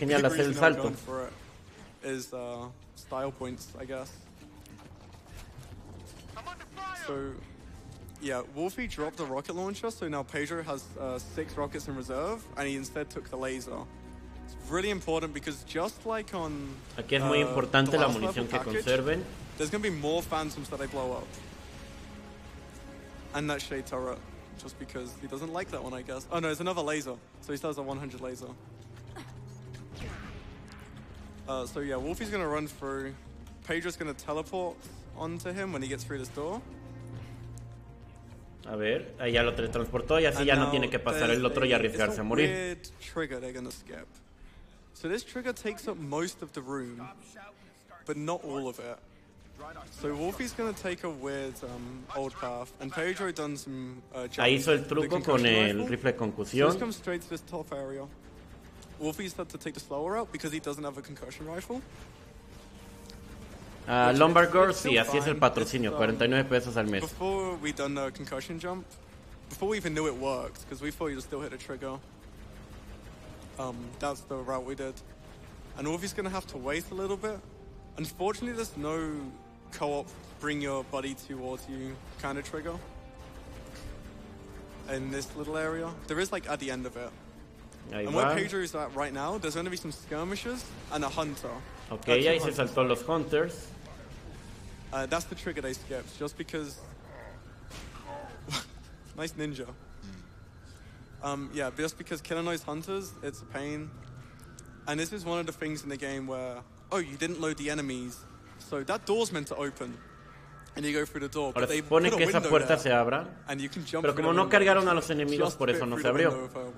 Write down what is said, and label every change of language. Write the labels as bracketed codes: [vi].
[es] genial hacer el salto. [en] Is style points, I guess. So, yeah, Wolfie dropped the rocket launcher, so now Pedro has 6 rockets in reserve, and he instead took the laser. It's really important because just like on [es] aquí es muy importante la munición que conserven. [en] There's gonna be more phantoms that I blow up, and that shade turret, just because he doesn't like that one, I guess. Oh no, there's another laser, so he still has a 100 laser. So yeah, Wolfie's gonna run through. Pedro's gonna teleport onto him when he gets through this door. [es] A ver, ahí ya lo teletransportó y así [en] and [es] ya no tiene que pasar el otro y arriesgarse a morir. [en] Trigger they're gonna skip. So this trigger takes up most of the room, but not all of it. So Wolfie's gonna take a weird old path, and Pedro done some. [es] Ahí hizo el truco con el rifle de concusión. [en] So comes straight to this top area. Wolfie's had to take the slower route because he doesn't have a concussion rifle. [es] Lombard Girl, sí, así es el patrocinio, 49 pesos al mes. [en] Before we done the concussion jump, before we even knew it worked, because we thought you'd still hit a trigger, that's the route we did. And Wolfie's gonna have to wait a little bit. Unfortunately, there's no co-op bring your buddy towards you kind of trigger in this little area. There is, like, at the end of it. [es] Ahí [en] and [es] va. [en] Where Pedro is at right now, there's gonna be some skirmishers and a hunter. [es] Okay, ahí se saltó los hunters. [en] That's the trigger they skipped, just because. Nice ninja. Yeah, just because killing those hunters, it's a pain. And this is one of the things in the game where, oh, you didn't load the enemies, so that door's meant to open. And you go through the door, [es] ahora supone que esa puerta se abra, pero como no cargaron a los enemigos, por eso no se abrió.